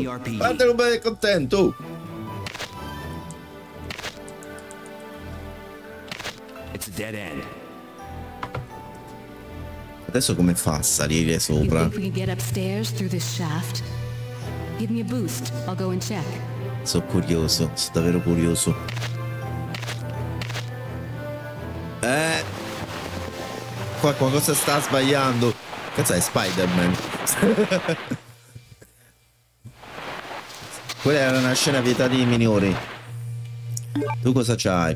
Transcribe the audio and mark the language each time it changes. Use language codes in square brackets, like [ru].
[it] Guardalo bene contento! [en] It's a dead end. [it] Adesso come fa a salire sopra? [en] You think we can get upstairs through this shaft? Give me a boost, I'll go and check. [it] Sono curioso, sono davvero curioso. Qua qualcosa sta sbagliando. Cazzo, è Spider-Man. Quella era una scena vietata ai minori. Tu cosa c'hai?